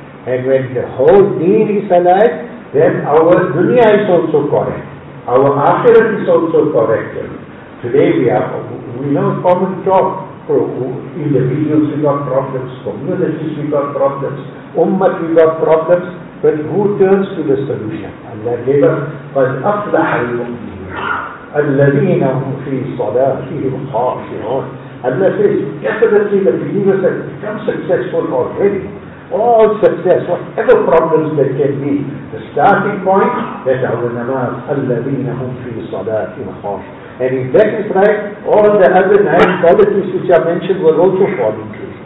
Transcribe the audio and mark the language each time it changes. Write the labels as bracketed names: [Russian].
[English] And when the whole deen is alive, then our dunya is also correct. Our akhirat is also correct. Today we have common talk. Individuals we got problems, communities we got problems, ummah we got problems, but who turns to the solution? Allah gave us, [Arabic] قَدْ أَفْلَحَ الْمُؤْمِنِينَ الَّذِينَ هُمْ فِي صَلَاتِهِمْ خَاشِعُونَ. [English] Allah says, definitely the believers have become successful already. All success, whatever problems there can be, the starting point that our namaz, [Arabic] الَّذِينَ هُمْ فِي صَلَاتِهِمْ خَاشِعُونَ. [English] And if that is right, all the other nine qualities which are mentioned will also fall in place.